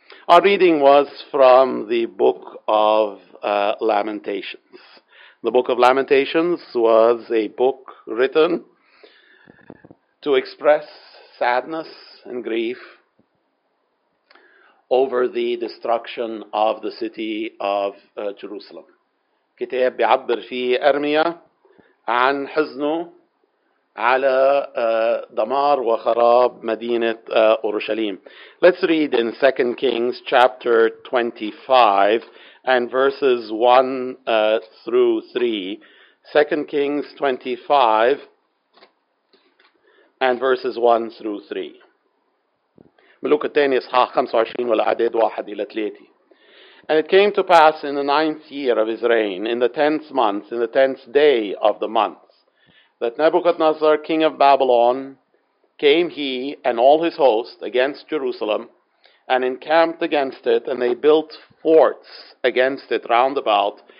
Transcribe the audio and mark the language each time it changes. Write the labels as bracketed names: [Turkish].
[English] Our reading was from the Book of Lamentations. The Book of Lamentations was a book written to express sadness and grief over the destruction of the city of Jerusalem. [Arabic] كتاب بيعبر فيه أرميا عن حزنه على دمار وخراب مدينة أورشليم. [English] Let's read in 2 Kings chapter 25 and verses 1 through 3. 2 Kings 25 and verses 1 through 3. [Arabic] ملوك الثاني إصحاح 25 والأعداد 1 إلى 3. [English] And it came to pass in the ninth year of his reign, in the tenth month, in the tenth day of the month, that Nebuchadnezzar, king of Babylon, came he and all his host against Jerusalem, and encamped against it, and they built forts against it round about.